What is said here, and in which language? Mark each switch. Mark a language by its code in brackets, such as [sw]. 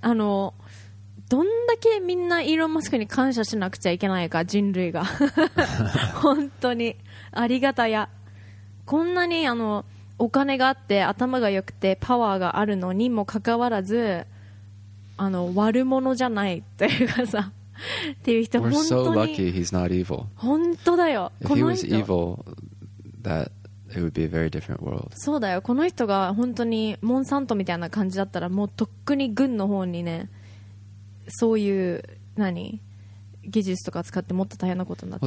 [ja] あの、どんだけみんなイーロン・マスクに感謝しなくちゃいけないか、人類が本当にありがたや。こんなにあのお金があって頭が良くてパワーがあるのにもかかわらず、あの悪者じゃないというかさっていう人、本当に。 [en] We're so lucky he's not evil. [ja] 本当だよ。 [en] If he was evil, that it would be a very different world. [ja] そうだよ。この人が本当にモンサントみたいな感じだったら、もうとっくに軍の方にね、そういう何技術とか使ってもっと大変なことになって